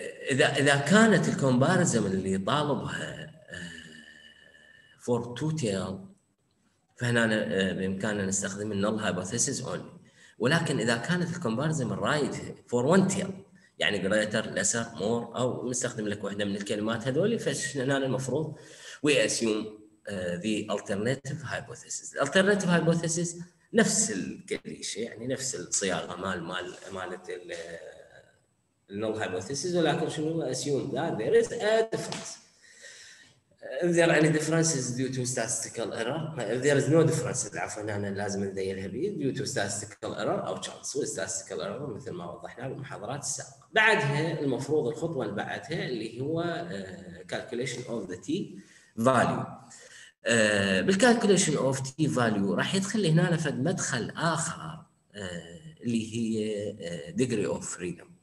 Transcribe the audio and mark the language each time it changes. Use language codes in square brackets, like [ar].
[ar] اذا كانت الكومبارزم اللي طالبها [en] for two tail [ar] فهنا بامكاننا نستخدم [en] النل hypothesis only, [ar] ولكن اذا كانت الكومبارزم [en] الرايت for one tail يعني greater lesser more [ar] او نستخدم لك واحده من الكلمات هذول فهنا المفروض [en] We assume the alternative hypothesis. [ar] الترناتيف هايبوثيسيس نفس الكليشيه يعني نفس الصياغه مال مال مالت النل هايبوثيسيس، ولكن شنو [en] Assume that there is a difference. If there are any differences due to statistical error, if there is no differences, [ar] عفواً أنا لازم أذيلها بي [en] due to statistical error أو chance. So statistical error [ar] مثل ما وضحنا بالمحاضرات السابقة. بعدها المفروض الخطوة اللي بعدها اللي هو [en] calculation of the t value. [ar] بالcalculation of t value راح يدخل هنا لفد مدخل آخر اللي هي degree of freedom.